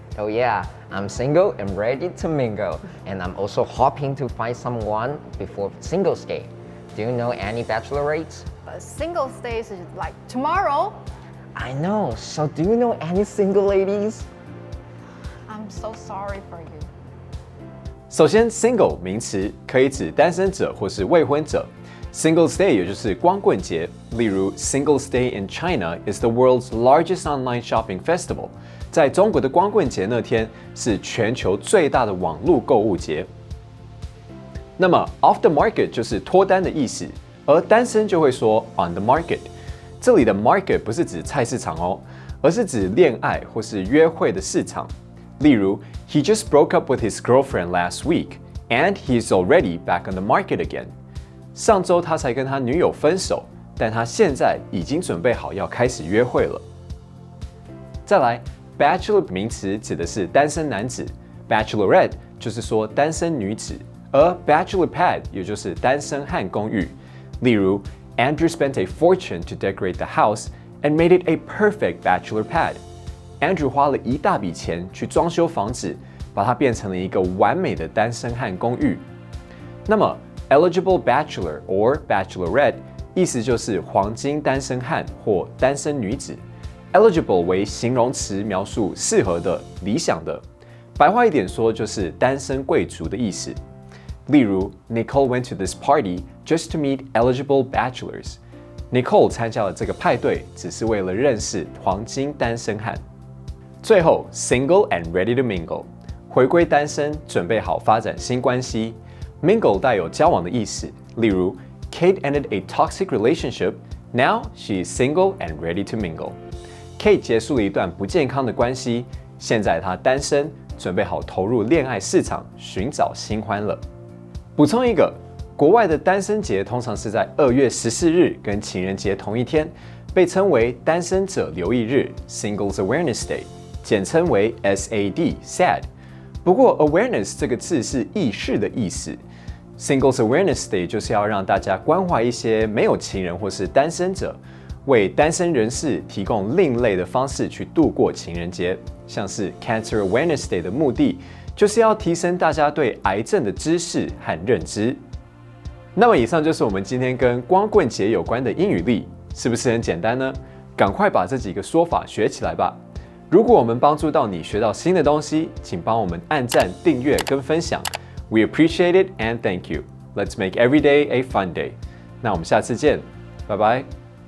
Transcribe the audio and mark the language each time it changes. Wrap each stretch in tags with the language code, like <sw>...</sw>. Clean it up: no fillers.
<en>Oh yeah, I'm single and ready to mingle. And I'm also hoping to find someone before Singles Day. Do you know any bachelorettes? Singles Day is like tomorrow. I know. So do you know any single ladies? I'm so sorry for you.</en> <zh>首先 ，single 名词可以指单身者或是未婚者。</zh> <en>Singles Day</en> <zh>也就是光棍节，例如</zh> <en>Singles Day in China is the world's largest online shopping festival。</en> <zh>在中国的光棍节那天是全球最大的网络购物节。那么</zh> <en>off the market</en> <zh>就是脱单的意思，而单身就会说</zh> <en>on the market。</en> <zh>这里的 market 不是指菜市场哦，而是指恋爱或是约会的市场。例如</zh> <en>，He just broke up with his girlfriend last week, and he's already back on the market again.</en> <zh>上周他才跟他女友分手，但他现在已经准备好要开始约会了。再来 ，bachelor 名词指的是单身男子 ，bachelorette 就是说单身女子，而 bachelor pad 也就是单身汉公寓。例如</zh> <en>，Andrew spent a fortune to decorate the house and made it a perfect bachelor pad.</en> <zh>Andrew 花了一大笔钱去装修房子，把它变成了一个完美的单身汉公寓。那么 ，</zh> <en>eligible bachelor or bachelorette</en> <zh>意思就是黄金单身汉或单身女子。 eligible 为形容词，描述适合的、理想的。白话一点说就是单身贵族的意思。例如</zh> <en>，Nicole went to this party just to meet eligible bachelors。</en> <zh>Nicole 参加了这个派对，只是为了认识黄金单身汉。最后 ，</zh> <en>single and ready to mingle，</en> <zh>回归单身，准备好发展新关系。</zh> <en>Mingle</en> <zh>带有交往的意思，例如</zh> <en>，Kate ended a toxic relationship， now she is single and ready to mingle。</en> <zh>Kate 结束了一段不健康的关系，现在她单身，准备好投入恋爱市场，寻找新欢了。补充一个，国外的单身节通常是在2月14日跟情人节同一天，被称为单身者留意日 （Singles Awareness Day）。简称为 SAD, SAD。不过 awareness 这个字是意识的意思。Singles Awareness Day 就是要让大家关怀一些没有情人或是单身者，为单身人士提供另类的方式去度过情人节。像是 Cancer Awareness Day 的目的，就是要提升大家对癌症的知识和认知。那么以上就是我们今天跟光棍节有关的英语例，是不是很简单呢？赶快把这几个说法学起来吧。如果我们帮助到你学到新的东西，请帮我们按赞、订阅跟分享。</zh> <en>We appreciate it and thank you. Let's make every day a fun day.</en> <zh>那我们下次见，拜拜。</zh>